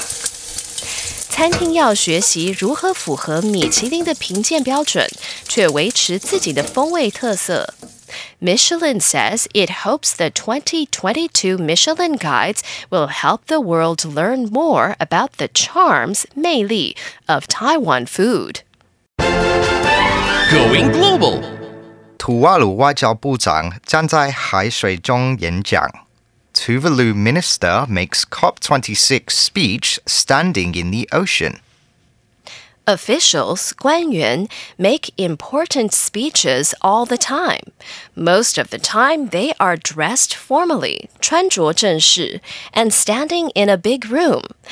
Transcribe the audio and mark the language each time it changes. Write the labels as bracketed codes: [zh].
[zh] Restaurants 要学习如何符合米其林的评鉴标准，却维持自己的风味特色。 [en] Michelin says it hopes the 2022 Michelin Guides will help the world learn more about the charms, 魅力 of Taiwan food. Going global! [zh] 土瓦鲁外交部长站在海水中演讲。 [en] Tuvalu minister makes COP26 speech standing in the ocean. Officials, 官员, make important speeches all the time. Most of the time, they are dressed formally, 穿着正式, and standing in a big room.